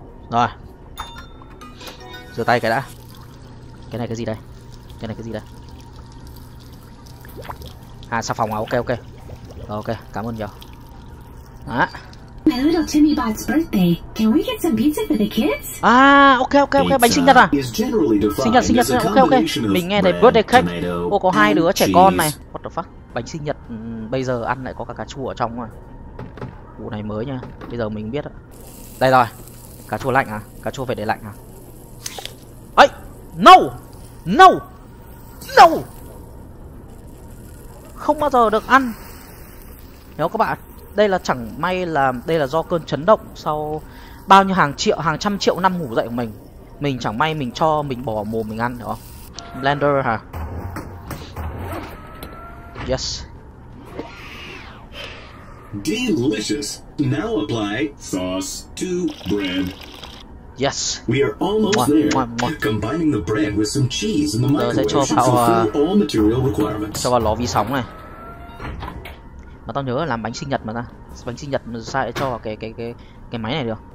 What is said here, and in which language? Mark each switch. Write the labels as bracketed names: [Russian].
[Vietnamese] Rồi. rửa tay cái đã. Cái này cái gì đây? Cái này cái gì đây? À, xà phòng à, ok ok. Rồi, ok, cảm ơn nhiều. Đó. [English] My little Timmy Bot's birthday. Can we get some pizza for the kids? [Vietnamese] À, ok ok ok, bánh sinh nhật à? Sinh nhật, ok ok. Mình nghe thấy birthday cake. Ô, có hai đứa trẻ con này. [English] What the fuck? [Vietnamese] Bánh sinh nhật bây giờ ăn lại có cả cà chua ở trong à? Vụ này mới nha. Bây giờ mình biết ạ. Đây rồi. Cà chua lạnh à? Cà chua phải để lạnh à? Ấy, [English] no. No. No. [Vietnamese] Không bao giờ được ăn. Nếu các bạn, đây là chẳng may là đây là do cơn chấn động sau bao nhiêu hàng triệu, hàng trăm triệu năm ngủ dậy của mình. Mình chẳng may mình cho mình bỏ mồm mình ăn đó. [English] Blender hả? Yes. Delicious. Now apply sauce to bread. Yes. We are almost there. Combining the bread with some cheese in the microwave should fulfill all material requirements. [Vietnamese] Cho vào lò vi sóng này. Mà tao nhớ là làm bánh sinh nhật mà ta. Bánh sinh nhật mà sao lại cho vào cái máy này được.